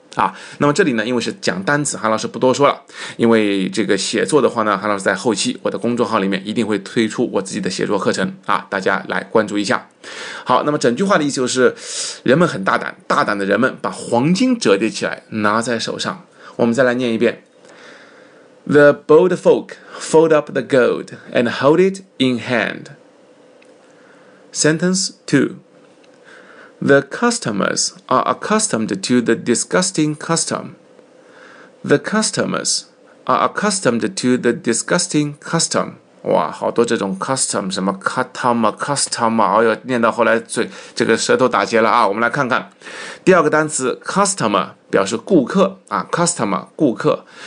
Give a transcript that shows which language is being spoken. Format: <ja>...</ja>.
<zh>啊，那么这里呢，因为是讲单词，韩老师不多说了，因为这个写作的话呢，韩老师在后期我的公众号里面一定会推出我自己的写作课程啊，大家来关注一下。好，那么整句话的意思就是，人们很大胆，大胆的人们把黄金折叠起来，拿在手上。我们再来念一遍。</zh> <en>The bold folk fold up the gold and hold it in hand. Sentence 2. The customers are accustomed to the disgusting custom. The customers are accustomed to the disgusting custom.</en> <zh>哇，好多这种 custom, 什么 custom, 哎呦，念到后来嘴这个舌头打结了啊。我们来看看第二个单词 customer, 表示顾客啊， customer, 顾客。</zh>